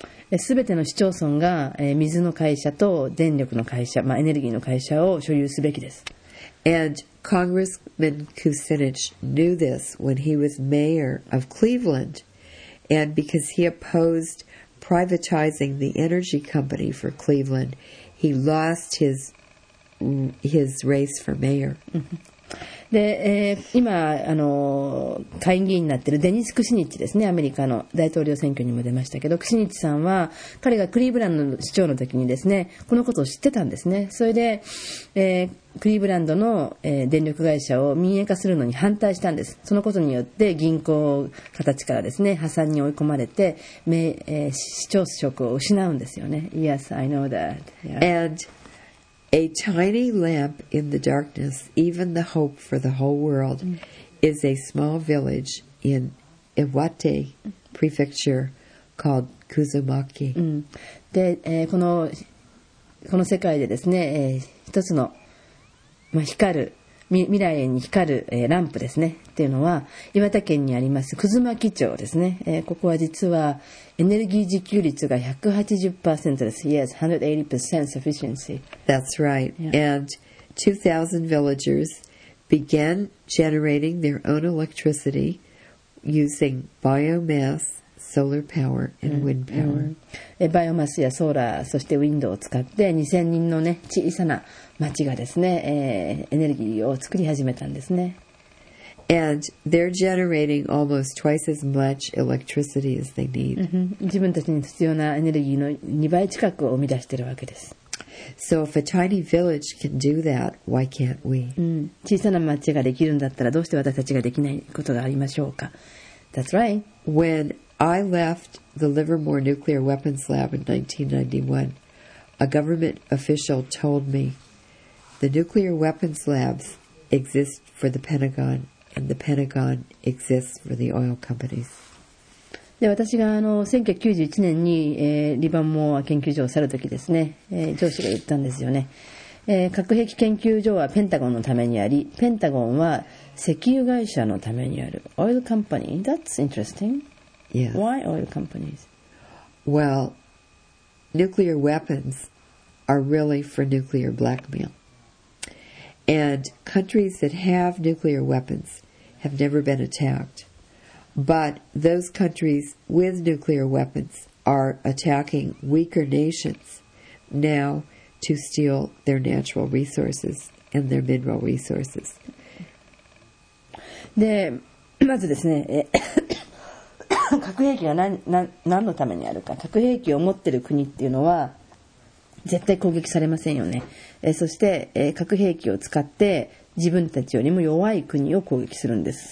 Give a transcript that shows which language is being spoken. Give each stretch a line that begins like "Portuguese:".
Japanese: 全ての市町村が水の会社と電力の会社、まあ、エネルギーの会社を所有すべきです。
English: And Congressman Kucinich knew this when he was mayor of Cleveland, and because he opposed privatizing the energy company for Cleveland, he lost his race for mayor.
Japanese: で、今下院議員になっているデニス・クシニッチですね、アメリカの大統領選挙にも出ましたけど、クシニッチさんは彼がクリーブランド市長の時にですね、このことを知ってたんですね。それで、クリーブランドの、電力会社を民営化するのに反対したんです。そのことによって銀行家たちからですね、破産に追い込まれて、市長職を失うんですよね。
English: Yes, I know that、 yeah. AndA tiny lamp in the darkness, even the hope for the whole world, is a small village in Iwate Prefecture called Kuzumaki.
Japanese: で、この世界でですね、一つの、まあ、光る、未来に光る、ランプですね、っていうのは、岩手県にあります、くずまき町ですね。ここは実は、エネルギー自給率が 180% です。
English: Yes, 180% sufficiency. That's right.、Yeah. And 2,000 villagers began generating their own electricity using biomass, solar power, and wind power.、
Japanese: バイオマスやソーラー、そしてウィンドウを使って、2000人のね、小さな町がですね、エネルギーを作り始めたんですね。
English: And they're generating almost twice as much electricity as they need.
Japanese: 自分たちに必要なエネルギーの2倍近くを生み出しているわけです。
English: So if a tiny village can do that, why can't we?
Japanese: 小さな町ができるんだったら、どうして私たちができないことがありましょうか?
English: That's right. When I left the Livermore Nuclear Weapons Lab in 1991, a government official told me, the nuclear weapons labs exist for the Pentagon. And the Pentagon exists for the oil companies.
Japanese: で、私が1991年に、リバンモア研究所を去るときですね、上司が言ったんですよね、核兵器研究所はペンタゴンのためにあり、ペンタゴンは石油会社のためにある。
English: Oil company? That's interesting. Yes. Why oil companies? Well, nuclear weapons are really for nuclear blackmail. And countries that have nuclear weapons have never been attacked. But those countries with nuclear weapons are attacking weaker nations now to steal their natural resources and their mineral resources.
Japanese: で、まずですね、核兵器が何のためにあるか。核兵器を持ってる国っていうのは絶対攻撃されませんよね。そして、核兵器を使って自分たちよりも弱い国を攻撃するんです。